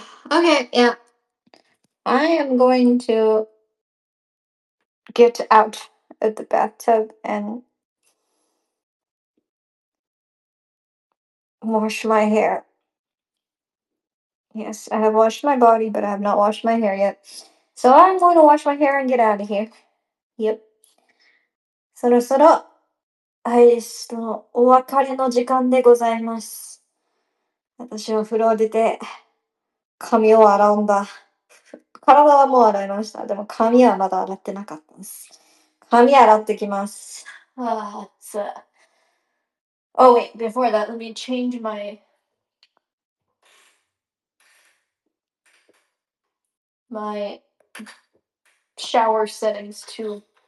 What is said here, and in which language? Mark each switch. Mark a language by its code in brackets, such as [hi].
[en] Okay, yeah. I am going to get out of the bathtub and wash my hair. Yes, I have washed my body, but I have not washed my hair yet. So I'm going to wash my hair and get out of here. [ja] Yep. そろそろ。アイリスとお別れの時間でございます。私は風呂を出て、髪を洗うんだ。体はもう洗いました。でも髪はまだ洗ってなかったんです。髪洗ってきます。ああ、暑い。 [en] Oh, wait, before that, let me change my... my shower settings to...